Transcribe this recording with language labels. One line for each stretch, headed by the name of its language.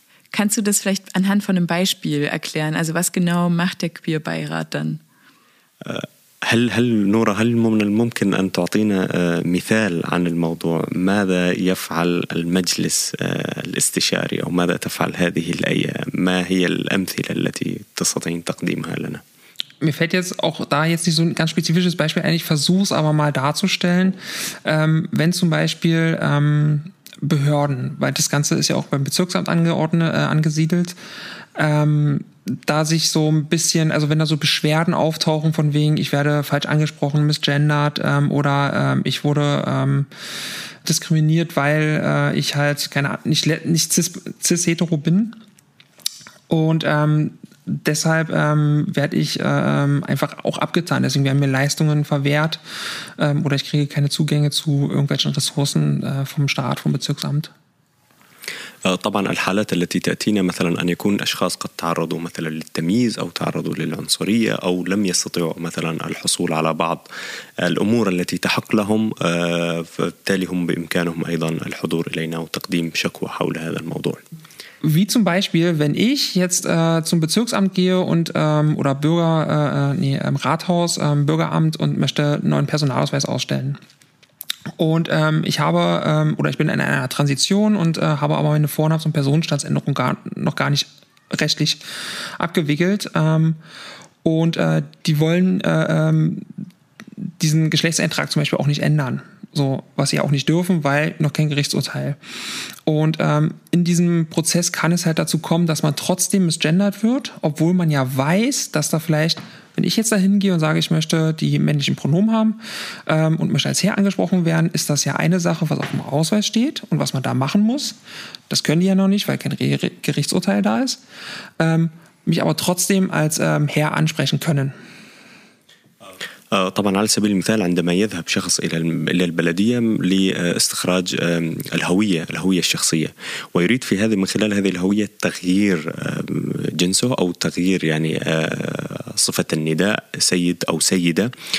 German: Kannst du das vielleicht anhand von einem Beispiel erklären? Also was genau macht der Queerbeirat dann?
Arabic: هل نورا هل من الممكن أن تعطينا مثال عن الموضوع؟ ماذا يفعل المجلس الاستشاري أو ماذا تفعل هذه الأيام؟ ما هي الأمثلة التي تستطيعين تقديمها لنا؟
German: Mir fällt jetzt auch da jetzt nicht so ein ganz spezifisches Beispiel ein. Ich versuche es aber mal darzustellen. Wenn zum Beispiel Behörden, weil das Ganze ist ja auch beim Bezirksamt angeordnet, angesiedelt, da sich so ein bisschen, also wenn da so Beschwerden auftauchen von wegen, ich werde falsch angesprochen, misgendert ich wurde diskriminiert, weil ich halt keine Ahnung, nicht cis-hetero bin und deshalb werde ich einfach auch abgetan. Deswegen werden mir Leistungen verwehrt oder ich kriege keine Zugänge zu irgendwelchen Ressourcen vom Staat, vom Bezirksamt.
Arabic: طبعا الحالات التي تأتينا مثلا أن يكون أشخاص قد تعرضوا مثلا للتمييز أو تعرضوا للعنصرية أو لم يستطيعوا مثلا الحصول على بعض الأمور التي تحق لهم فبالتالي هم بإمكانهم أيضا الحضور إلينا وتقديم شكوى حول هذا الموضوع.
German: Wie zum Beispiel, wenn ich jetzt zum Bezirksamt gehe und oder Bürger Rathaus Bürgeramt und möchte einen neuen Personalausweis ausstellen. Und ich habe oder ich bin in einer Transition und habe aber meine Vornamens- und Personenstandsänderung noch gar nicht rechtlich abgewickelt. Die wollen diesen Geschlechtseintrag zum Beispiel auch nicht ändern. So, was sie auch nicht dürfen, weil noch kein Gerichtsurteil. Und in diesem Prozess kann es halt dazu kommen, dass man trotzdem misgendert wird, obwohl man ja weiß, dass da vielleicht, wenn ich jetzt da hingehe und sage, ich möchte die männlichen Pronomen haben und möchte als Herr angesprochen werden, ist das ja eine Sache, was auf dem Ausweis steht und was man da machen muss. Das können die ja noch nicht, weil kein Gerichtsurteil da ist. Mich aber trotzdem als Herr ansprechen können.
Arabic: طبعا على سبيل المثال عندما يذهب شخص إلى البلدية لاستخراج الهوية الشخصية ويريد في هذه من خلال هذه الهوية تغيير جنسه أو تغيير يعني صفة النداء سيد أو سيدة